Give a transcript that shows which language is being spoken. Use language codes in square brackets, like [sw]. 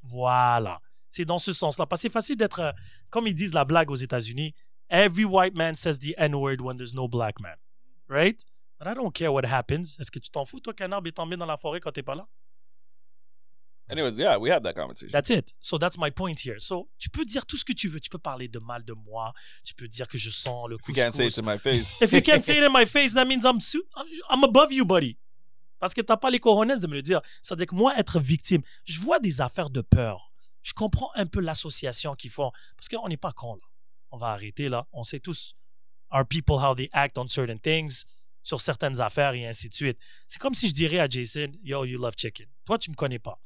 [fr] Voilà. C'est dans ce sens-là. Parce que c'est facile d'être, comme ils disent la blague aux États-Unis, [en] every white man says the N-word when there's no black man. Right? But I don't care what happens. [fr] Est-ce que tu t'en fous, toi, qu'un arbre est tombé dans la forêt quand t'es pas là? [en] Anyways, yeah, we had that conversation. That's it. So that's my point here. [fr] So tu peux dire tout ce que tu veux. Tu peux parler de mal de moi. Tu peux dire que je sens le couscous. [en] If you can't say it in my face. If you can't say it in my face, that means I'm above you, buddy. [fr] Parce que t'as pas les cojones de me le dire. Ça veut dire que moi, être victime, je vois des affaires de peur. Je comprends un peu l'association qu'ils font. Parce qu'on n'est pas cons, là. On va arrêter, là. On sait tous. [en] Our people, how they act on certain things, [fr] sur certaines affaires et ainsi de suite. C'est comme si je dirais à Jason, [en] yo, you love chicken. [fr] Toi, tu me connais pas.